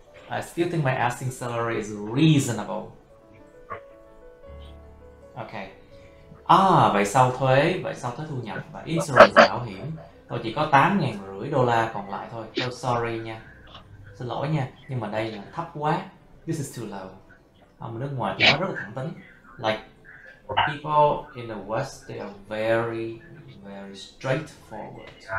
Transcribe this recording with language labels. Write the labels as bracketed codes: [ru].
[en] I still think my asking salary is reasonable. Okay. [vi] Vậy sau thuế thu nhập và insurance bảo hiểm, tôi chỉ có 8.500 đô la còn lại thôi. Tôi sorry nha. Xin lỗi nha, nhưng mà đây là thấp quá. [en] This is too low. [vi] Ở nước ngoài thì nó rất là thẳng tính. [en] Like people in the West, they are very very straightforward.